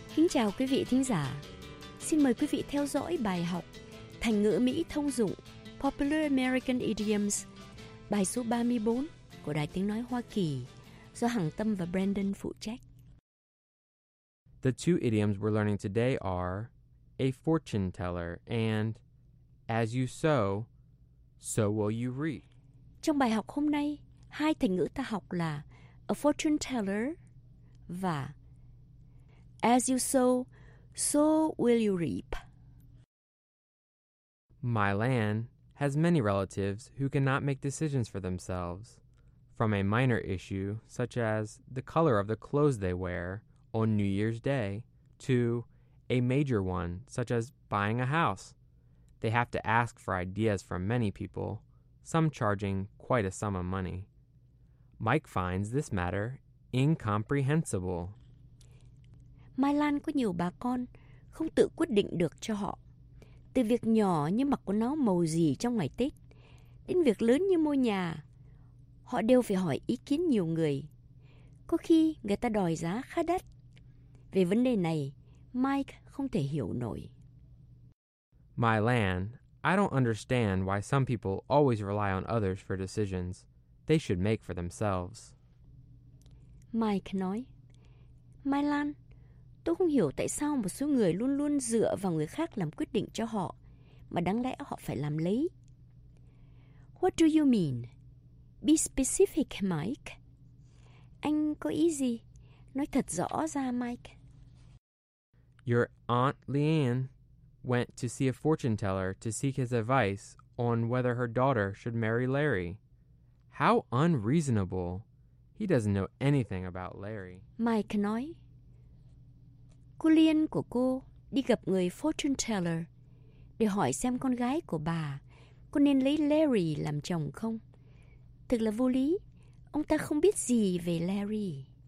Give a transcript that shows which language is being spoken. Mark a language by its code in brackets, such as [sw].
[vi] Chào quý vị thính giả, xin mời quý vị theo dõi bài học thành ngữ Mỹ thông dụng [en] Popular American Idioms, [vi] bài số 34 của Đài Tiếng Nói Hoa Kỳ do Hằng Tâm và Brandon phụ trách. [en] The two idioms we're learning today are a fortune teller and as you sow, so will you reap. [vi] Trong bài học hôm nay, hai thành ngữ ta học là [en] a fortune teller [vi] và [en] as you sow, so will you reap. My land has many relatives who cannot make decisions for themselves. From a minor issue, such as the color of the clothes they wear on New Year's Day, to a major one, such as buying a house, they have to ask for ideas from many people, some charging quite a sum of money. Mike finds this matter incomprehensible. [vi] Mai Lan có nhiều bà con không tự quyết định được cho họ. Từ việc nhỏ như mặc quần áo màu gì trong ngày Tết, đến việc lớn như mua nhà, họ đều phải hỏi ý kiến nhiều người. Có khi người ta đòi giá khá đắt. Về vấn đề này, Mike không thể hiểu nổi. [en] Mai Lan, I don't understand why some people always rely on others for decisions they should make for themselves. [vi] Mike nói, Mai Lan, tôi không hiểu tại sao một số người luôn luôn dựa vào người khác làm quyết định cho họ, mà đáng lẽ họ phải làm lấy. [en] What do you mean? Be specific, Mike. [vi] Anh có ý gì? Nói thật rõ ra, Mike. [en] Your Aunt Leanne went to see a fortune teller to seek his advice on whether her daughter should marry Larry. How unreasonable. He doesn't know anything about Larry. [vi] Mike nói, cô Liên của cô đi gặp người fortune teller để hỏi xem con gái của bà có nên lấy Larry làm chồng không. Thật là vô lý, ông ta không biết gì về Larry.